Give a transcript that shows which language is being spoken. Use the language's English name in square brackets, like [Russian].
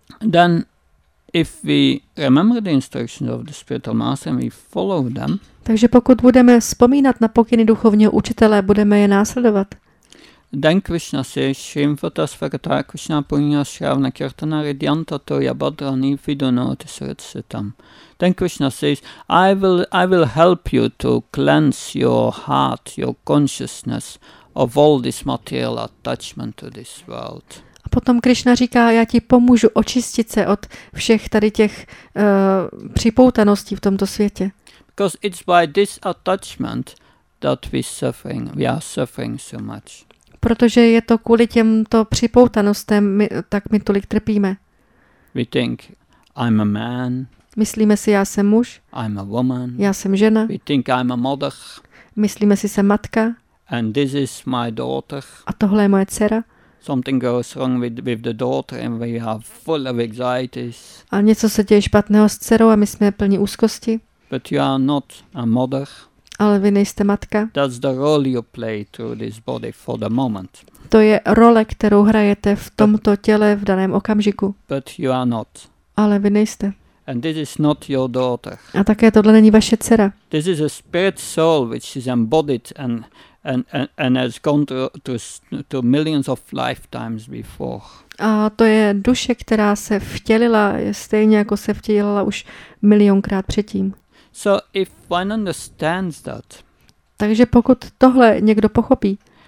[English] Then if we remember the instructions of the spiritual master and we follow them. [Czech] Takže pokud budeme vzpomínat na pokyny duchovního učitele, budeme je následovat. [English] Then Krishna says, [Sanskrit] Shrimvata Svagata Krishna Punya Shravna Kirtana Ridyanta Toya Badra Nividunoti Sritsitam. [English] Then Krishna says, I will help you to cleanse your heart, your consciousness of all this material attachment to this world. [Czech] A potom Krishna říká, já ti pomůžu očistit se od všech tady těch připoutaností v tomto světě. [English] Because it's by this attachment that we are suffering so much. [Czech] Protože je to kvůli těmto připoutanostem, tak my tolik trpíme. [English] We think I'm a man. [Czech] Myslíme si, já jsem muž. [English] I'm a woman. [Czech] Já jsem žena. [English] We think I'm a mother. [Czech] Myslíme si, jsem matka. [English] And this is my daughter. [Czech] A tohle je moje dcera. [English] Something goes wrong with the daughter and we are full of anxieties. [Czech] A něco se děje špatného s dcerou a my jsme plní úzkosti. [English] But you are not a mother. [Czech] Ale vy nejste matka. [English] That's the role you play through this body for the moment. [Czech] To je role, kterou hrajete v tomto těle v daném okamžiku. [English] But you are not. [Czech] Ale vy nejste. [English] And this is not your daughter. [Czech] A také tohle není vaše dcera. [English] This is a spirit soul which is embodied and has gone to millions of lifetimes before. [Czech] A to je duše, která se vtělila stejně jako se vtělila už milionkrát předtím. [English] So if one understands that. [Czech] Takže pokud tohle někdo pochopí.